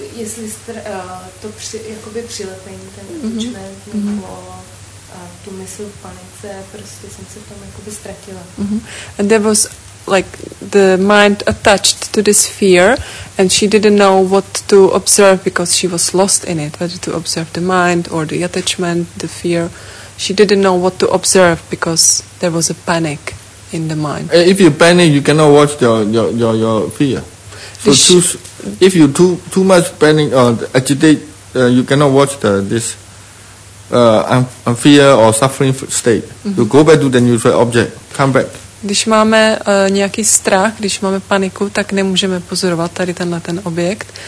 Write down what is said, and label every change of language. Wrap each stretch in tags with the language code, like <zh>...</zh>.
<cs>Jestli to jakoby přilepení, ten attachment tu mysl v panice, prostě jsem se tam jakoby ztratila.</cs> <en>And there was like the mind attached to this fear and she didn't know what to observe because she was lost in it, whether to observe the mind or the attachment, the fear. She didn't know what to observe because there was a panic in the mind. If you panic, you cannot watch your fear. If you too much panic or agitate, you cannot watch this fear or suffering state. Mm-hmm. You go back to the neutral object, come back.</en> <cs>Když máme nějaký strach, když máme paniku, tak nemůžeme pozorovat tady tenhle ten objekt.</cs>